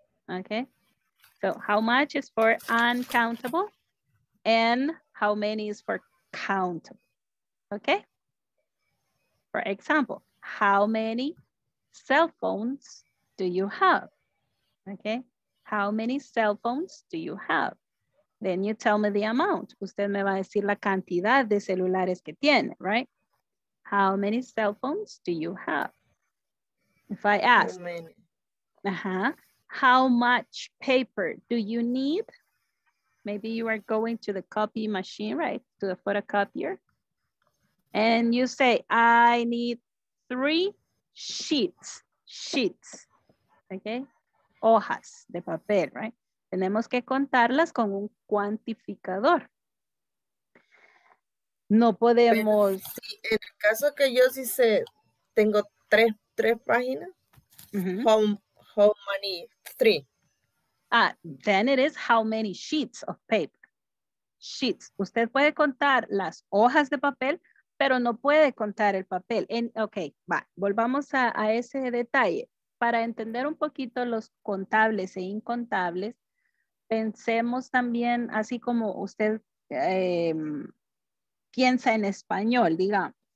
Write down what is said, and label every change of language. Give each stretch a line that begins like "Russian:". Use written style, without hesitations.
English: Okay, so how much is for uncountable and how many is for countable, okay? For example, how many cell phones do you have? Okay, how many cell phones do you have? Then you tell me the amount.
Spanish: Usted me va a decir la cantidad de celulares que tiene,
English: right? How many cell phones do you have? If I ask, how much paper do you need? Maybe you are going to the copy machine, right? To the photocopier. And you say, I need 3 sheets. Sheets, okay?
Spanish: Hojas de papel,
English: right?
Spanish: Tenemos que contarlas con un cuantificador. No podemos... Pero, si, en el caso que yo sí sé, tengo tres páginas.
English: How many? Then it is how many sheets of paper. Sheets.
Spanish: Usted puede contar las hojas de papel, pero no puede contar el papel. Volvamos a ese detalle. Para entender un poquito los contables e incontables, pensemos también así como usted piensa en español, digamos.